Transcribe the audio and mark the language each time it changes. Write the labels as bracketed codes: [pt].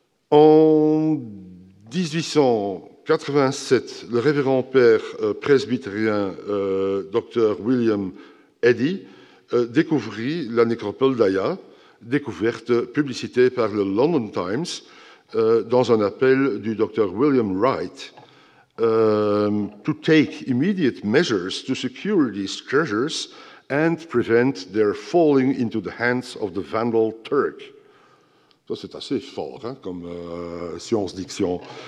[fr] En 1887, le révérend père presbytérien Dr. William Eddy découvrit la nécropole d'Aya, découverte publicitée par le London Times dans un appel du Dr. [en] William Wright to take immediate measures to secure these treasures and prevent their falling into the hands of the Vandal Turk. [fr] Ça, c'est assez fort hein, comme science-diction.